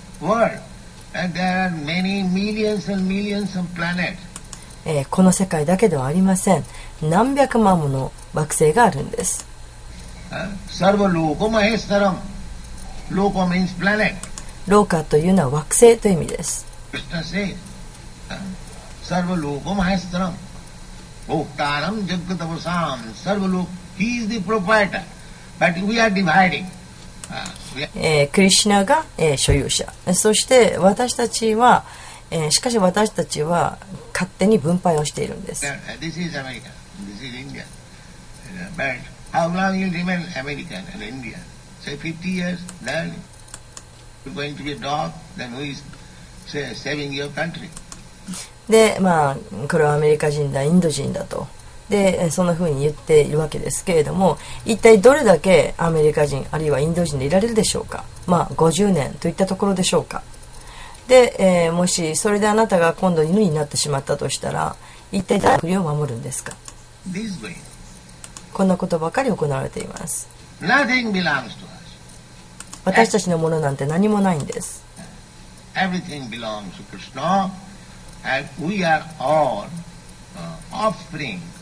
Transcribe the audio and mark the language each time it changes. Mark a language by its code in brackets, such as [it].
[en] world, and there are many millions and millions of planets. [ja] この世界だけではありません。何百万もの惑星があるんです。 [sa] Sarva loko maheshwaram. [en] Loko means planet. [ja] Loka というのは惑星という意味です。 [en] Krishna says, [sa] Sarva loko maheshwaram. Oktaram jagatavasam. Sarva loko. [en] He is the proprietor. But we are dividing. [ja] クリシナが、所有者、そして私たちは、しかし私たちは勝手に分配をしているんです。 [en] This is America. This is India. But how long you remain American and India? Say 50 years, then you're going to be a dog, then who is saving your country? [ja] で、まあ、これはアメリカ人だ、インド人だと。でそんな風に言っているわけですけれども、一体どれだけアメリカ人あるいはインド人でいられるでしょうか。まあ50年といったところでしょうか。で、もしそれであなたが今度犬になってしまったとしたら、一体誰が国を守るんですか。 [en] This way. [ja] こんなことばかり行われています。 [en] Nothing belongs to us. [ja] 私たちのものなんて何もないんです。 [en] Everything belongs to Krishna and we are all offspring